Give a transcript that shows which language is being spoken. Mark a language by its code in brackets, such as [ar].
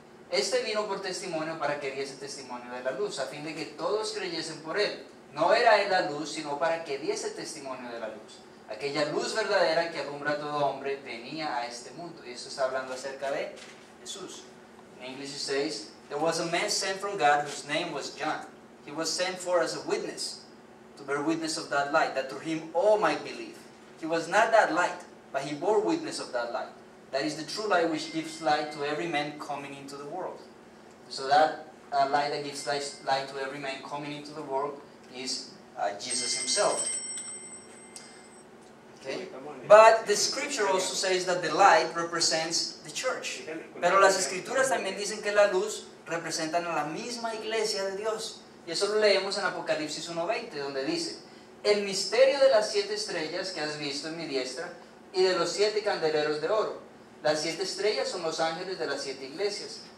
[es] Este vino por testimonio para que diese testimonio de la luz, a fin de que todos creyesen por él. No era él la luz, sino para que diese testimonio de la luz. Aquella luz verdadera que alumbra a todo hombre venía a este mundo. Y esto está hablando acerca de Jesús. [en] In English it says, there was a man sent from God whose name was John. He was sent for as a witness, to bear witness of that light, that through him all might believe. He was not that light, but he bore witness of that light. That is the true light which gives light to every man coming into the world. So that light that gives light to every man coming into the world is Jesus himself. Okay. But the scripture also says that the light represents the church. [es] Pero las escrituras también dicen que la luz representan a la misma iglesia de Dios. Y eso lo leemos en Apocalipsis 1:20, donde dice, el misterio de las siete estrellas que has visto en mi diestra y de los siete candeleros de oro. Las siete estrellas son los ángeles de las siete iglesias.